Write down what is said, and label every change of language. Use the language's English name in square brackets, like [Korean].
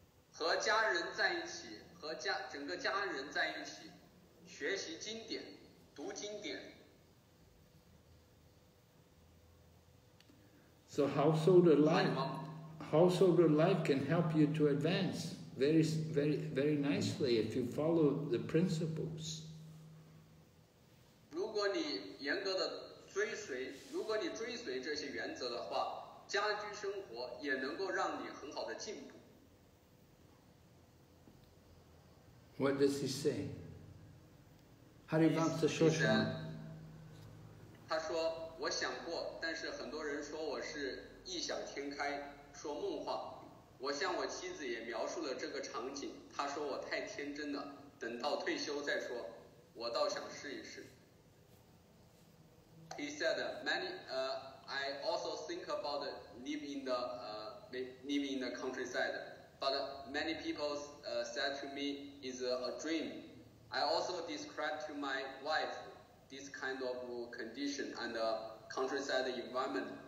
[Chinese] 和家人在一起，和家，整个家人在一起。学习经典，读经典。 [English] So householder life can help you to advance very, very, very nicely if you follow the principles. [Chinese] 如果你严格的追随，如果你追随这些原则的话，家居生活也能够让你很好的进步。 [English] What does he say? Harivansa [Chinese] 说什么？他说，我想过，但是很多人说我是异想天开，说梦话。我向我妻子也描述了这个场景，她说我太天真了，等到退休再说，我倒想试一试。 [English] He said, I also think about living in the countryside, but many people said to me it's a dream. I also described to my wife this kind of condition and countryside environment.